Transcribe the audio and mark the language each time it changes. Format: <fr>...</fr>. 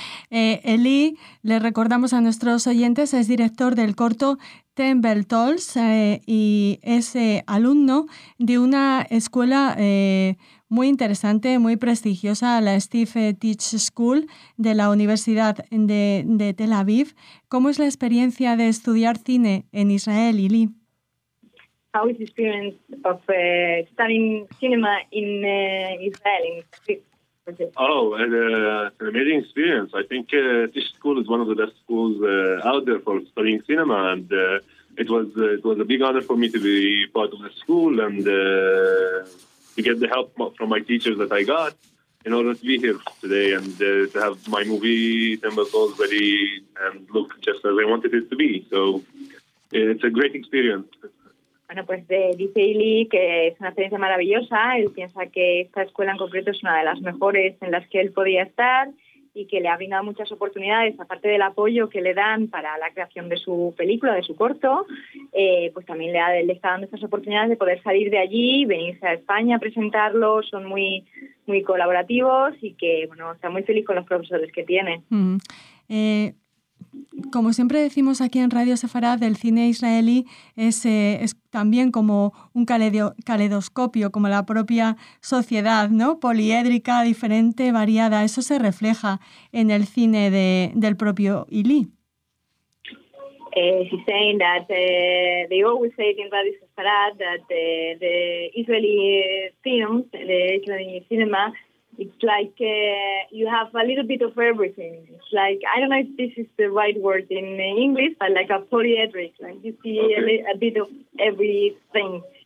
<es>Eli, le recordamos a nuestros oyentes, es director del corto Temple Tolls y es alumno de una escuela muy interesante, muy prestigiosa, la Steve Teach School de la Universidad de Tel Aviv. ¿Cómo es la experiencia de estudiar cine en Israel, Ili?</es> <en>How is the experience of studying cinema in Israel? Oh, it's an amazing experience. I think Teach School is one of the best schools out there for studying cinema, and it was a big honor for me to be part of the school and to get the help from my teachers that I got in order to be here today and to have my movie Tembelos ready and look just as I wanted it to be. So it's a great experience.</en> <es>Bueno, pues dice Ili que es una experiencia maravillosa. Él piensa que esta escuela en concreto es una de las mejores en las que él podía estar y que le ha brindado muchas oportunidades, aparte del apoyo que le dan para la creación de su película, de su corto, pues también le está dando estas oportunidades de poder salir de allí, venirse a España a presentarlo. Son muy, muy colaborativos y que, bueno, está muy feliz con los profesores que tiene. Como siempre decimos aquí en Radio Sefarad, el cine israelí es también como un caleidoscopio, como la propia sociedad, ¿no? Poliédrica, diferente, variada. Eso se refleja en el cine del propio Ili.</es> <en>He's saying that they always say in Radio Sefarad that the Israeli film, the Israeli cinema, it's like you have a little bit of everything. It's like, I don't know if this is the right word in English, but like a polyedric, like you see a bit of everything.</en>